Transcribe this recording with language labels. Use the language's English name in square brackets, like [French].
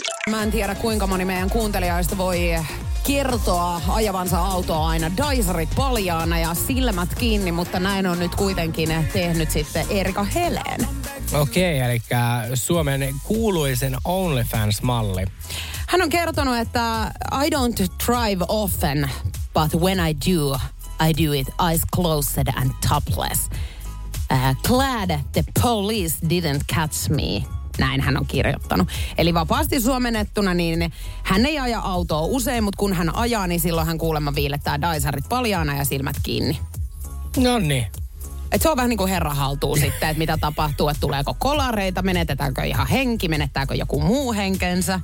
[Finnish] Mä en tiedä, kuinka moni meidän kuuntelijoista voi kertoa ajavansa autoa aina daisarit paljaana ja silmät kiinni, mutta näin on nyt kuitenkin tehnyt sitten Erika Helen. Okei, eli Suomen kuuluisin OnlyFans-malli. Hän on kertonut, että [English] I don't drive often, but when I do it eyes closed and topless. Glad the police didn't catch me. [Finnish] Näin hän on kirjoittanut. Eli vapaasti suomennettuna, niin hän ei aja autoa usein, mutta kun hän ajaa, niin silloin hän kuulemma viilettää daisarit paljaana ja silmät kiinni. Nonni. Et se on vähän niin kuin herra haltuu sitten, että mitä tapahtuu, että tuleeko kolareita, menetetäänkö ihan henki, menettääkö joku muu henkensä.